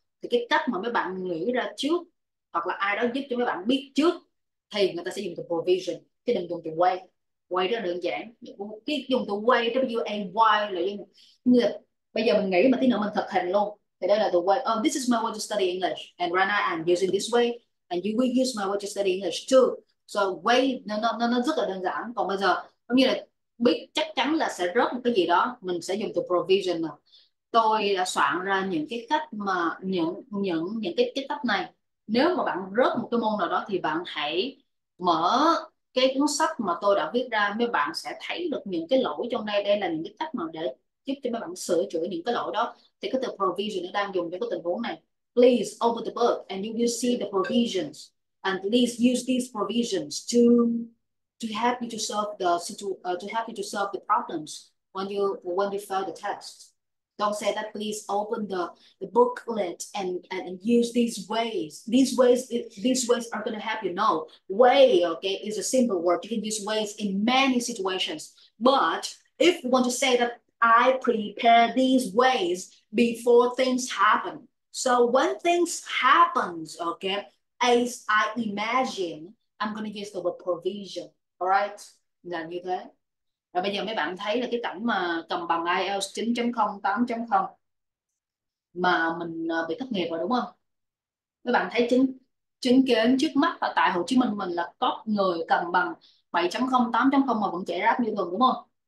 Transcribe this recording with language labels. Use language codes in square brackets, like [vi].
[vi] Thì cái cách mà mấy bạn nghĩ ra trước hoặc là ai đó giúp cho mấy bạn biết trước thì người ta sẽ dùng từ provision. Chứ đừng dùng từ way. Way rất là đơn giản. Dùng từ way, W-A-Y là như là bây giờ mình nghĩ mà tí nữa mình thực hành luôn. Thì đây là [en] the way, oh, this is my way to study English. And right now I'm using this way. And you will use my way to study English too. So way, [vi] nó rất là đơn giản. Còn bây giờ, giống như là biết chắc chắn là sẽ rớt một cái gì đó, mình sẽ dùng từ provision. Tôi đã soạn ra những cái cách mà, những cái cách này. Nếu mà bạn rớt một cái môn nào đó thì bạn hãy mở cái cuốn sách mà tôi đã viết ra. Mấy bạn sẽ thấy được những cái lỗi trong đây. Đây là những cái cách mà để giúp cho mấy bạn sửa chữa những cái lỗi đó. Thì cái từ provision nó đang dùng cho cái tình huống này. [en] Please open the book and you will see the provisions. And please use these provisions to help you to solve the problems when you fail the test. Don't say that. Please open the booklet and use these ways. These ways are going to help you. No, way, okay, is a simple word. You can use ways in many situations. But if you want to say that I prepare these ways before things happen. So when things happen, okay, as I imagine, I'm going to use the word provision. All right? [vi] Là như thế. Rồi bây giờ mấy bạn thấy là cái cảnh mà cầm bằng IELTS 9.0, 8.0 mà mình bị thất nghiệp rồi đúng không? Mấy bạn thấy chứng kiến trước mắt và tại Hồ Chí Minh mình là có người cầm bằng 7.0, 8.0 mà vẫn chạy rap như thường đúng không?